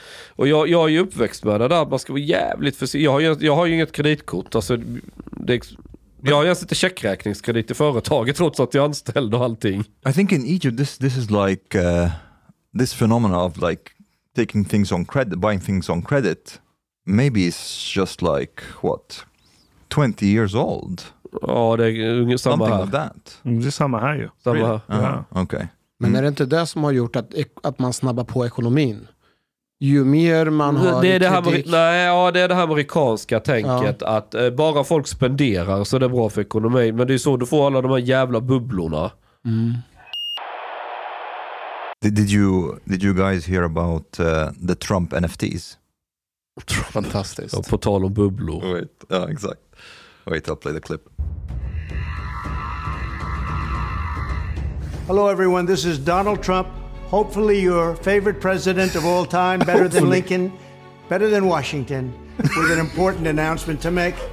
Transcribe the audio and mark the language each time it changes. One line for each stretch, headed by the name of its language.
Swedish: Och jag är ju uppväxt med det där. Man ska vara jävligt försiktig. Jag har ju inget kreditkort. Alltså, jag har ju inte checkräkningskredit i företaget trots att jag är anställd och allting.
English: I think in Egypt this is like this phenomenon of like taking things on credit, buying things on credit. Maybe it's just like what 20 years old.
Swedish: Ja, det är ungefär samma här.
English: That.
Swedish: Det är samma här ju. Samma.
English: Really? Uh-huh. Okay.
Swedish: Men är det inte det som har gjort att man snabbar på ekonomin? Ju mer man har det är det här amerikanska tänket, ja. Att bara folk spenderar så är det bra för ekonomin, men det är så du får alla de här jävla bubblorna. Mm.
English: Did you guys hear about the Trump NFTs?
Swedish: Fantastiskt. På tal om bubblor.
English: Wait, yeah, exakt. Wait, I'll play the clip. Hello everyone, this is Donald Trump. Hopefully your favorite president of all time, better than Lincoln, better than Washington, with an important announcement to make.